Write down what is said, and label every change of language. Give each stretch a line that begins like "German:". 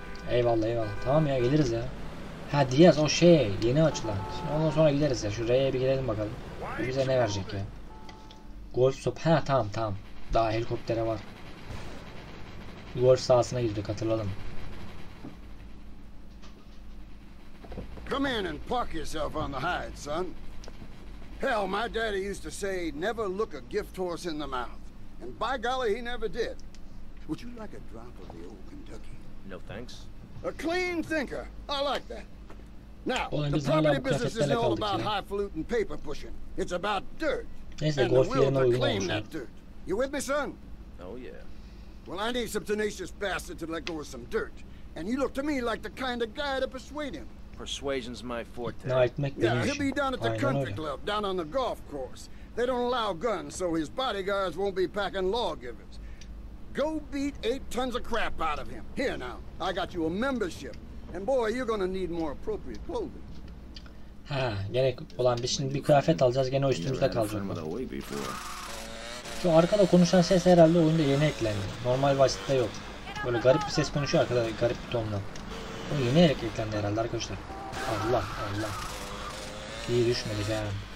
Turkish: Eyvallah eyvallah. Tamam ya geliriz ya. Ha Diaz o şey yeni açılan. Şimdi ondan sonra gideriz ya. Şuraya bir gidelim bakalım. Bu bize ne verecek ya? Golf sop. Ha tamam tamam. Daha helikoptere var. Golf sahasına girdik hatırladım.
English: Come in and park yourself on the hide, son. Hell, my daddy used to say never look a gift horse in the mouth. And by golly, he never did. Would you like a drop of the old Kentucky? No thanks. A clean thinker. I like that. Now, the property business is all about highfalutin paper pushing. It's about dirt. And the will to claim that dirt. You with me, son? Oh, yeah. Well, I need some tenacious bastard to let go of some dirt. And you look to me like the kind of guy to persuade him. Persuasion's my forte. No, it make yeah, he'll be down at the country club, down on the golf course. They don't allow guns, so his bodyguards won't be packing lawgivers. Go beat 8 tons of crap out of him. Here now, I got you a membership. And boy, you're gonna need more appropriate clothing.
Turkish: Ha, gerek olan biz şimdi bir kıyafet alacağız, gene o üstümüzde kalacak. Şu arkada konuşan ses herhalde oyunda yeni eklendi. Normal vasitte yok. Böyle garip bir ses konuşuyor arkada, garip bir tonla. O yeni eklendi herhalde arkadaşlar. Allah Allah. İyi düşmedi canım.